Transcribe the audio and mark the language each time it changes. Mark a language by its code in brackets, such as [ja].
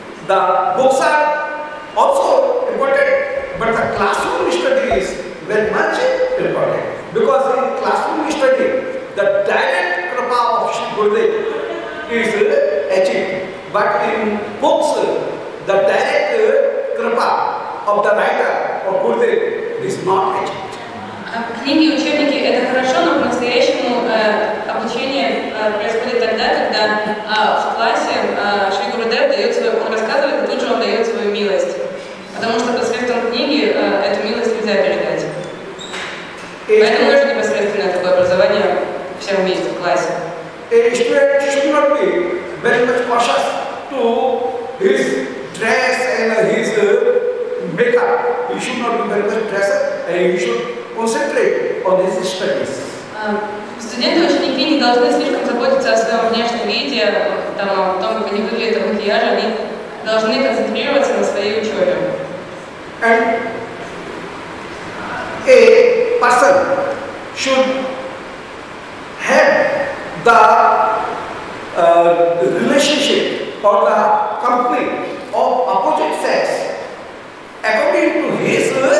[en] The books are also important, but the classroom study is very much important, because in classroom study, the direct prabha of Shri Gurudev is achieved. But in books, the direct prabha of the writer of Gurudev is not achieved. [ru] Книги, учебники – это хорошо, но по-настоящему обучение происходит тогда, когда в классе Шри Гурудев дает свое, он рассказывает, и тут же он дает свою милость. Потому что посредством книги эту милость нельзя передать. Поэтому нужно непосредственно такое образование всем вместе в классе. [en] A student should not be very much cautious to his dress and his makeup. He should not be very much dressed and he should concentrate on his studies. [ru] Студенты, ученики не должны слишком заботиться о своем внешнем виде, там, о том, как они выглядят, о макияже. Они должны концентрироваться на своей учебе. [en] And a person should have the relationship or the company of opposite sex according to his